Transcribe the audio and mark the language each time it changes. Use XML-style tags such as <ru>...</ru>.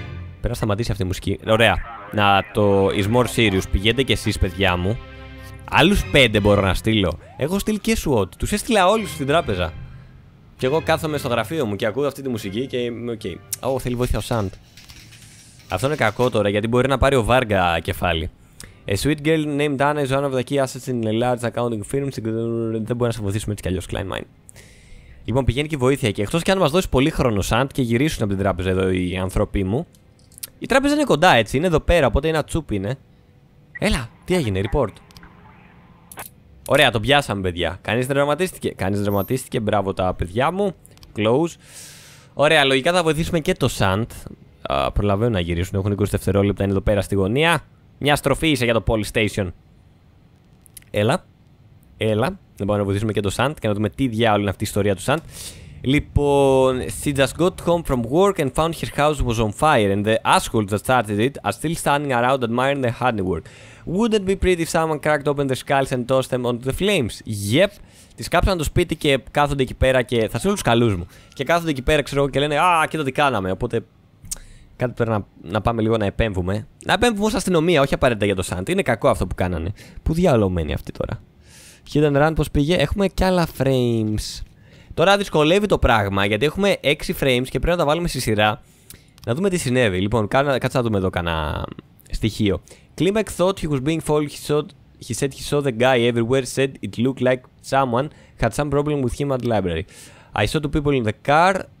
<el>Πρέπει να σταματήσει αυτή η μουσική. Ωραία, να το</el> <en>is more serious.</en> <el>Πηγαίνετε κι εσείς, παιδιά μου. Άλλους 5 μπορώ να στείλω. Έχω στείλει και SWAT. Τους έστειλα όλους στην τράπεζα. Και εγώ κάθομαι στο γραφείο μου και ακούω αυτή τη μουσική και είμαι οκ. Okay. Θέλει βοήθεια ο Σαντ. Αυτό είναι κακό τώρα γιατί μπορεί να πάρει ο Βάργα κεφάλι.</el> <en>A sweet girl named Anna is one of the key assets in a large accounting firm.</en> <el>Δεν μπορεί να σε βοηθήσουμε έτσι κι αλλιώς, Klein Mine. Λοιπόν, πηγαίνει και βοήθεια εκεί. Εκτός και αν μας δώσει πολύ χρόνο, Σαντ, και γυρίσουν από την τράπεζα εδώ οι άνθρωποι μου. Η τράπεζα είναι κοντά έτσι, είναι εδώ πέρα, οπότε ένα τσούπι είναι. Έλα, τι έγινε, report. Ωραία, το πιάσαμε, παιδιά. Κανείς δεν τραυματίστηκε. Κανείς δεν τραυματίστηκε. Μπράβο τα παιδιά μου. Close. Ωραία, λογικά θα βοηθήσουμε και το Σαντ. Προλαβαίνουν να γυρίσουν. Έχουν 20 δευτερόλεπτα. Είναι εδώ πέρα στη γωνία. Μια στροφή είσαι για το Polystation. Έλα. Έλα. Να πάμε να βοηθήσουμε και το Σαντ και να δούμε τι διάολο είναι αυτή η ιστορία του Σαντ. Λοιπόν,</el> <en>she just got home from work and found her house was on fire and the assholes that started it are still standing around admiring the handiwork. Wouldn't it be pretty if someone cracked open their skulls and tossed them onto the flames? Yep.</en> <el>Τις κάψαν το σπίτι και κάθονται εκεί πέρα και θα στείλω τους καλούς μου. Και κάθονται εκεί πέρα, ξέρω, και λένε α, κοίτα τι κάναμε. Οπότε κάτι πρέπει να πάμε λίγο να επέμβουμε. Να επέμβουμε ως αστυνομία, όχι απαραίτητα για το Σαντ. Είναι κακό αυτό που κάνανε. Πού διαλωμένοι αυτοί τώρα. Hit and run, πώς πήγε. Έχουμε κι άλλα frames. Τώρα δυσκολεύει το πράγμα γιατί έχουμε 6 frames και πρέπει να τα βάλουμε στη σειρά. Να δούμε τι συνέβη. Λοιπόν, κάτσε να δούμε εδώ κανένα στοιχείο.</el> <en>Klimek thought he was being followed. He said he saw the guy everywhere. Said it looked like someone had some problem with him at the library. I saw two people in the car.</en>